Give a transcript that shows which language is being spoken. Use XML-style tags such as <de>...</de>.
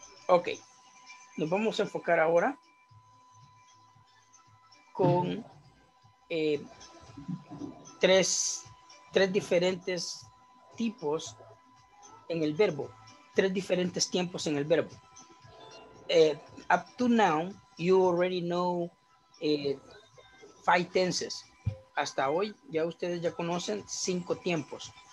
<es>Ok, nos vamos a enfocar ahora con tres diferentes tipos en el verbo, tres diferentes tiempos en el verbo.</es> <en>Up to now, you already know five tenses.</en> <es>Hasta hoy, ya ustedes ya conocen cinco tiempos.</es>